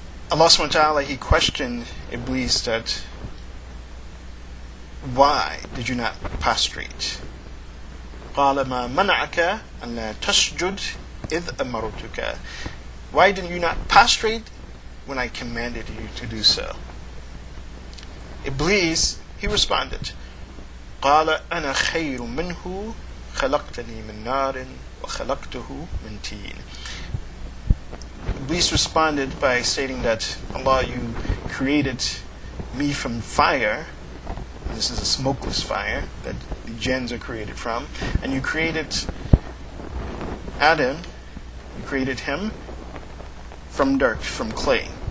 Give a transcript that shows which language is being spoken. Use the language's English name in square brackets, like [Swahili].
[English] Allah subhanahu wa ta'ala, he questioned Iblis that, why did you not prostrate? [Arabic] قَالَ مَا مَنَعَكَ أَنْ لَا تَسْجُدْ إِذْ أَمَرُتُكَ. [English] Why did you not prostrate when I commanded you to do so? Iblis, he responded, [Arabic] قَالَ أَنَا خَيْرٌ مِنْهُ خَلَقْتَنِي مِنْ نَارٍ وَخَلَقْتُهُ مِنْ تِينٍ. [English] Iblis responded by stating that, Allah, you created me from fire. This is a smokeless fire that the jinns are created from. And you created Adam, you created him from dirt, from clay.